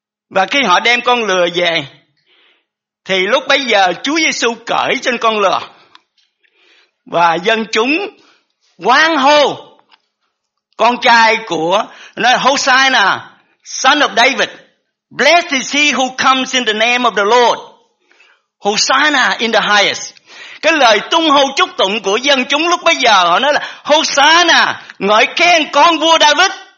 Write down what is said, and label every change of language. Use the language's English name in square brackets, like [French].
[Vietnamese] Và khi họ đem con lừa về, thì lúc bấy giờ Chúa Giê-xu cởi trên con lừa. Và dân chúng hoan hô. Con trai của, nói Hosanna, [English] son of David. Blessed is he who comes in the name of the Lord. Hosanna in the highest. [Vietnamese] Cái lời tung hô chúc tụng của dân chúng lúc bấy giờ, họ nói là Hosanna, ngợi khen con vua David.